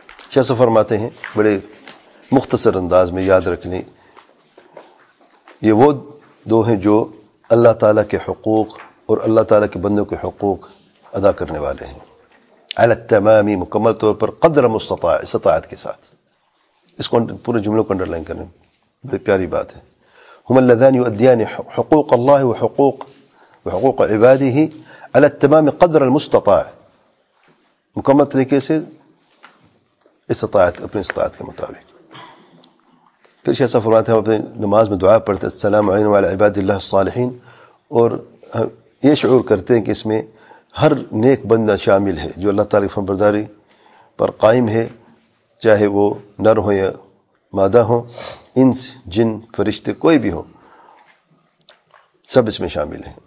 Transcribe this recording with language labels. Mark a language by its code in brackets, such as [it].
[ur] شیخ صاحب فرماتے ہیں بڑے مختصر انداز میں یاد رکھنے، یہ وہ دو ہیں جو اللہ تعالیٰ کے حقوق اور اللہ تعالیٰ کے بندوں کے حقوق ادا کرنے والے ہیں، علی التمامی، مکمل طور پر، قدر مستطاع، استطاعت کے ساتھ. اس کو پورے جملوں کو انڈر لائن کریں، بڑی پیاری بات ہے. [ar] هما اللذان يؤديان حقوق الله وحقوق عباده على التمام قدر المستطاع، [ur] مکمل طریقے سے استطاعت، اپنی استطاعت کے مطابق. پھر شیخ صاحب فرماتے ہیں اپنی نماز میں دعا پڑھتے [ar] السلام علینا وعلی عباد اللہ الصالحین، [ur] اور یہ شعور کرتے ہیں کہ اس میں ہر نیک بندہ شامل ہے جو اللہ تعالیٰ کی فرمانبرداری پر قائم ہے، چاہے وہ نر ہو یا مادہ ہوں، انس، جن، فرشتے، کوئی بھی ہو، سب اس میں شامل ہیں.